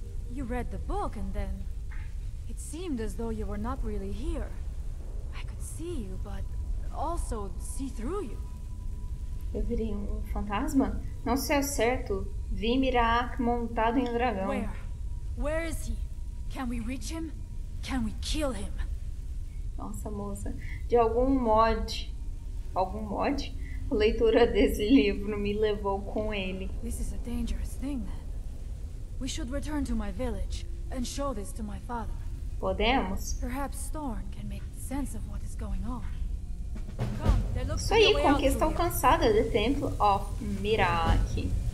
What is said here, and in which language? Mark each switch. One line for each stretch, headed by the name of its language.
English: You read the book and then it seemed as though you were not really here. I could see you, but also see through you.
Portuguese: Eu virei um fantasma? Não sei ao certo. Vi Mirak montado em um dragão.
English: Where is he? Can we reach him? Can we kill him?
Portuguese: Nossa, moça. De algum mod? A leitura desse livro me levou com ele.
English: This is a dangerous thing, then. We should return to my village and show this to my father.
Portuguese: Podemos?
English: Perhaps Storm can make sense of what is going on.
Portuguese: Isso aí, conquista alcançada do Templo of Mirak.